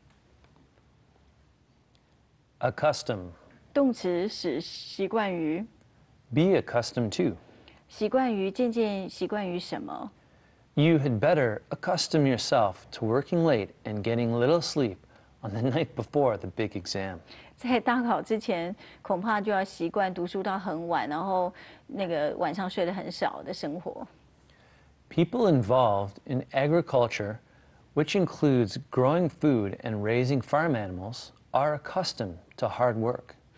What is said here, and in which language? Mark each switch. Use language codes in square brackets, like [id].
[zh] 一个专案经理人呢，大多手上都有好几件专案在进行，所以必须要根据每个人的经验、技能来分配不同的各项任务。 [en] Accustom. [zh] 动词使习惯于。 [en] Be accustomed to. [zh] 习惯于渐渐习惯于什么? [en] You had better accustom yourself to working late and getting little sleep on the night before the big exam. [zh] 在大考之前，恐怕就要习惯读书到很晚，然后那个晚上睡得很少的生活。People [en] involved in agriculture, which includes growing food and raising farm animals, are accustomed to hard work.